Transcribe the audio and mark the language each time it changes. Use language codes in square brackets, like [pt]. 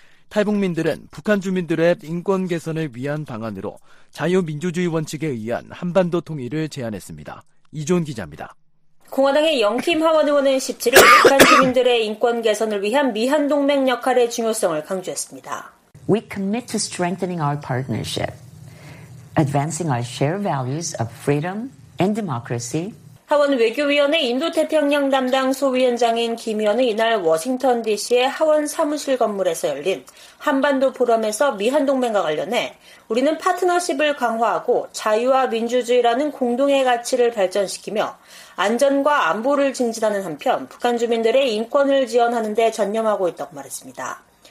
[ko] 탈북민들은 북한 주민들의 인권 개선을 위한 방안으로 자유민주주의 원칙에 의한 한반도 통일을 제안했습니다. 이존 기자입니다. 공화당의 영킴 하원 의원은 17일 북한 주민들의 인권 개선을 위한 미한 동맹 역할의 중요성을 강조했습니다. [en] We commit to strengthening our partnership, advancing our shared values of freedom. [ko] 하원 외교위원회 인도태평양 담당 소위원장인 김 의원은 이날 워싱턴 DC의 하원 사무실 건물에서 열린 한반도 포럼에서 미한동맹과 관련해 우리는 파트너십을 강화하고 자유와 민주주의라는 공동의 가치를 발전시키며 안전과 안보를 증진하는 한편 북한 주민들의 인권을 지원하는 데 전념하고 있다고 말했습니다.